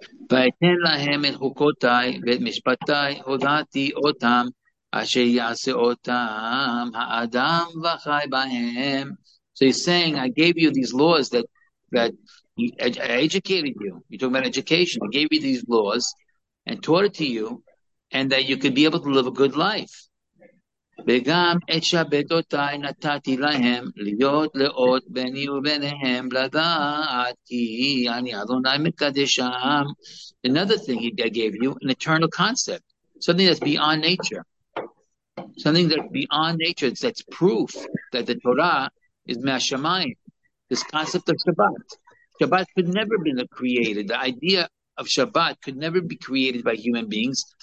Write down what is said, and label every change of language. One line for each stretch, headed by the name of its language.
Hebrew: ואתן להם את חוקותיי ואת משפטיי הודעתי אותם אשר יעשה אותם האדם וחי בהם.
English: So he's saying, I gave you these laws that I educated you. You're talking about education. I gave you these laws and taught it to you, and that you could be able to live a good life.
Hebrew: וגם את שבתותיי נתתי להם להיות לאות ביני וביניהם לדעת כי אני אדוני מקדשם.
English: Another thing he gave you, an eternal concept, something that's beyond nature, something that's beyond nature, that's proof that the Torah is mehashamayim. This concept of Shabbat. Shabbat could never be created. The idea of Shabbat could never be created by human beings.